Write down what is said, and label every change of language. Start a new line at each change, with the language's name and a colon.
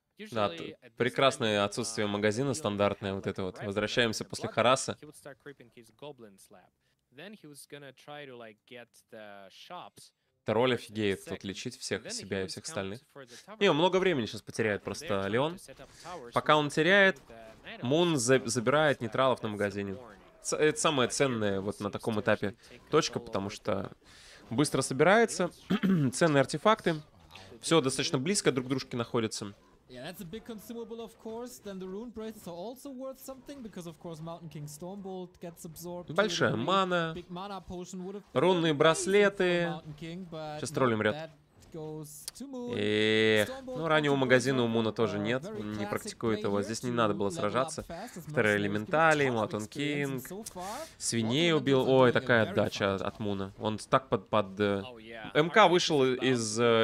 Russian: Да, прекрасное отсутствие магазина, стандартное вот это вот. Возвращаемся после Хараса.
English: He would start creeping his goblin's lab. Then he was gonna try to, like, get the shops.
Russian: Тролль офигеет тут лечить всех себя и всех остальных. Не, он много времени сейчас потеряет просто Леон. Пока он теряет, Мун забирает нейтралов на магазине. Это самое ценное вот на таком этапе точка, потому что быстро собирается. Ценные артефакты. Все достаточно близко друг к дружке находится.
English: Yeah, that's a big consumable, of course. Then the rune braces are also worth something, because, of course, Mountain King Stormbolt gets absorbed.
Russian: Большая мана.
English: Big mana potion would have been
Russian: рунные браслеты. King, сейчас тролль умрет. Ну, раннего магазина у Муна тоже нет. Он не практикует его. Здесь не надо было сражаться. Вторые элементали, Mountain King. Свиней убил. Ой, такая отдача от Муна. Он так под... МК вышел из...